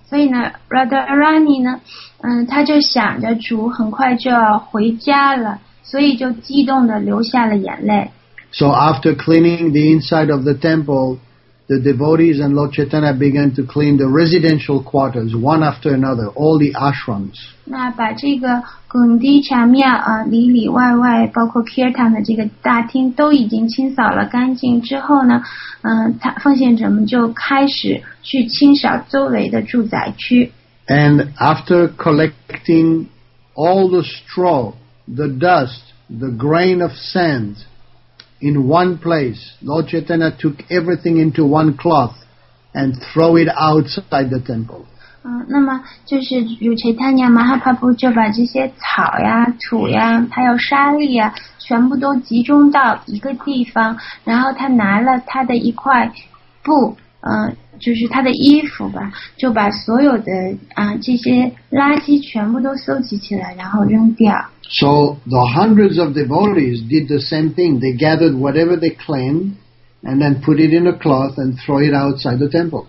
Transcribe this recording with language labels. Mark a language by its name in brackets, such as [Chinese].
[Chinese] 所以呢 Radharani 呢他就想着主很快就要回家了所以就激动地流下了眼泪。 [English] So after cleaning the inside of the temple, the devotees and Lord Chaitanya began to clean the residential quarters one after another, all the ashrams. [Chinese] 那把这个贡迪查庙里里外外包括 Kirtan 的这个大厅都已经清扫了干净之后呢奉献者们就开始去清扫周围的住宅区 [English] And after collecting all the straw, the dust, the grain of sand in one place, Lord Chaitanya took everything into one cloth and throw it outside the temple. [Chinese] 那么就是如切塔尼亚马哈帕布就把这些草呀、土呀、还有沙粒呀，全部都集中到一个地方，然后他拿了他的一块布，就是他的衣服吧，就把所有的这些垃圾全部都收集起来，然后扔掉。 [English] So the hundreds of devotees did the same thing. They gathered whatever they claimed. And then put it in a cloth and throw it outside the temple.